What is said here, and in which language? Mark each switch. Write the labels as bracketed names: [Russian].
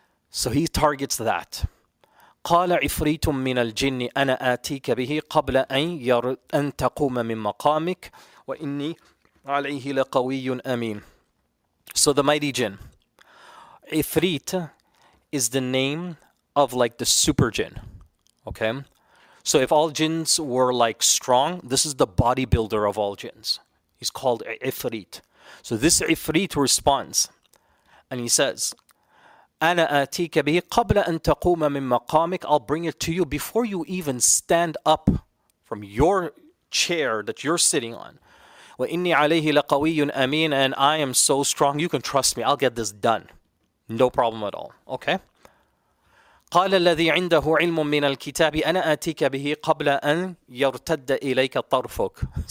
[English] So he targets that. [Arabic] قَالَ عِفْرِيتٌ مِّنَ الْجِنِّ أَنَا آتِيكَ بِهِ قَبْلَ أَن تَقُومَ مِن مَقَامِكَ وَإِنِّي عَلَيْهِ لَقَوِيٌّ أَمِينٌ. [English] So the mighty jinn. Ifrit is the name of like the super jinn. Okay? So if all jinns were like strong, this is the bodybuilder of all jinns. He's called Ifrit. So this Ifrit responds. And he says, [Arabic] أَنَا أَتِيكَ بِهِ قَبْلَ أَن تَقُومَ مِن مَقَامِكَ. [English] I'll bring it to you before you even stand up from your chair that you're sitting on. [Arabic] وَإِنِّي عَلَيْهِ لَقَوِيٌّ أَمِينٌ. [English] And I am so strong, you can trust me, I'll get this done. No problem at all. Okay? [Arabic] قَالَ الَّذِي عِنْدَهُ عِلْمٌ مِّنَ الْكِتَابِ أَنَا أَتِيكَ بِهِ قَبْلَ أَن يَرْتَدَّ إِلَيْكَ طَرْفُكَ.